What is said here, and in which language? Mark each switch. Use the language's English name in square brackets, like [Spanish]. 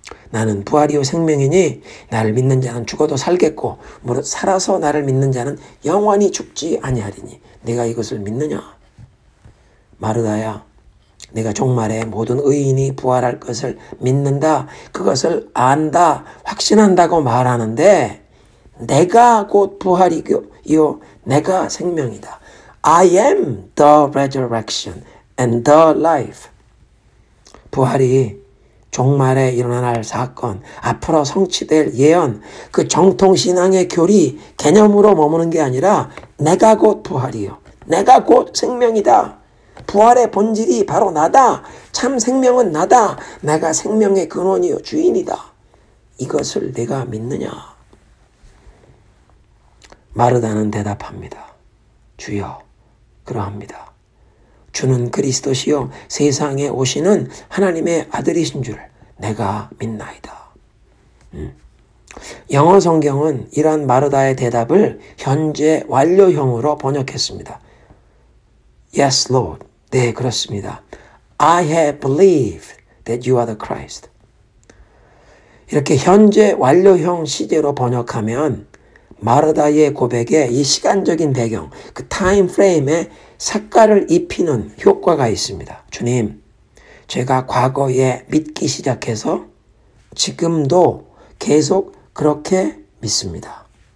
[Korean] 나는 부활이요 생명이니 나를 믿는 자는 죽어도 살겠고 무릇 살아서 나를 믿는 자는 영원히 죽지 아니하리니 내가 이것을 믿느냐? 마르다야, 내가 종말에 모든 의인이 부활할 것을 믿는다, 그것을 안다, 확신한다고 말하는데 내가 곧 부활이요 내가 생명이다. [English] I am the resurrection and the life. [Korean] 부활이 종말에 일어날 사건, 앞으로 성취될 예언, 그 정통신앙의 교리, 개념으로 머무는 게 아니라 내가 곧 부활이요, 내가 곧 생명이다. 부활의 본질이 바로 나다. 참 생명은 나다. 내가 생명의 근원이요, 주인이다. 이것을 내가 믿느냐? 마르다는 대답합니다. 주여, 그러합니다. 주는 그리스도시요, 세상에 오시는 하나님의 아들이신 줄 내가 믿나이다. 영어 성경은 이러한 마르다의 대답을 현재 완료형으로 번역했습니다. [English] Yes, Lord. [Korean] 네, 그렇습니다. [English] I have believed that you are the Christ. [Korean] 이렇게 현재 완료형 시제로 번역하면 마르다의 고백에 이 시간적인 배경, 그 타임 프레임에 색깔을 입히는 효과가 있습니다. 주님, 제가 과거에 믿기 시작해서 지금도 계속 그렇게 믿습니다.